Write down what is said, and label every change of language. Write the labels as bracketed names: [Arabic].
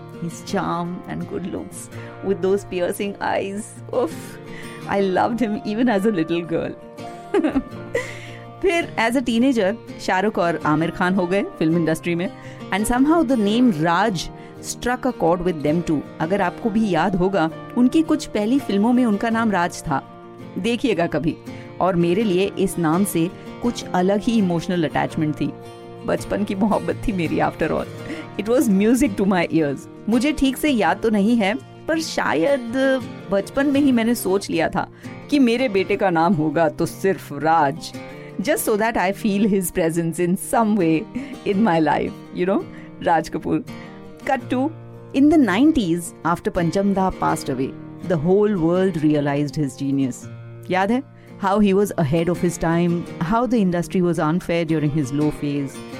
[English] His charm and good looks with those piercing eyes. Oof, I loved him even as a little girl. Phir, as a teenager, [Hindi] Shah Rukh aur Aamir Khan ho gaye film industry mein. [English] And somehow the name Raj struck a chord with them too. [Hindi] अगर आपको भी याद होगा, उनकी कुछ पहली फिल्मों में उनका नाम राज था। देखिएगा कभी। और मेरे लिए इस नाम से कुछ अलग ही इमोशनल अटैचमेंट थी। बचपन की मोहब्बत थी मेरी after all. [English] It was music to my ears। [Hindi] मुझे ठीक से याद तो नहीं है, पर शायद बचपन में ही मैंने सोच लिया था कि मेरे बेटे का नाम होगा तो सिर्फ राज। [English] Just so that I feel his presence in some way in my life, you know, Raj Kapoor. Cut to, in the 90s, after Panchamda passed away, the whole world realized his genius. [Hindi] Yaad hai? [English] How he was ahead of his time, how the industry was unfair during his low phase.